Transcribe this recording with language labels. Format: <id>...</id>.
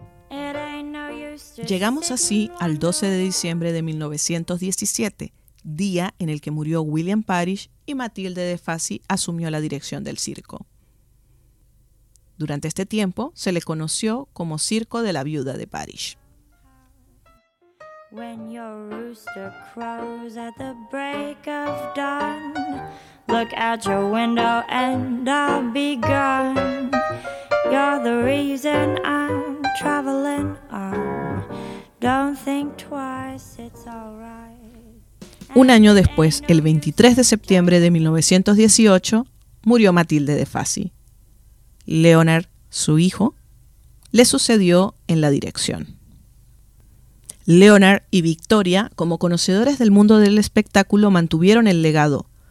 <en>It ain't no use to-</en> <es>Llegamos así al 12 de diciembre de 1917, día en el que murió William Parish y Matilde de Fassi asumió la dirección del circo. Durante este tiempo se le conoció como Circo de la Viuda de Parish.</es> <en>When your rooster crows at the break of dawn, look out your window and I'll be gone. You're the reason I'm traveling on. Don't think twice, it's all right.</en> <es>Un año después, el 23 de septiembre de 1918, murió Matilde de Fassi. Leonard, su hijo, le sucedió en la dirección. Leonard y Victoria, como conocedores del mundo del espectáculo, mantuvieron el legado.</es>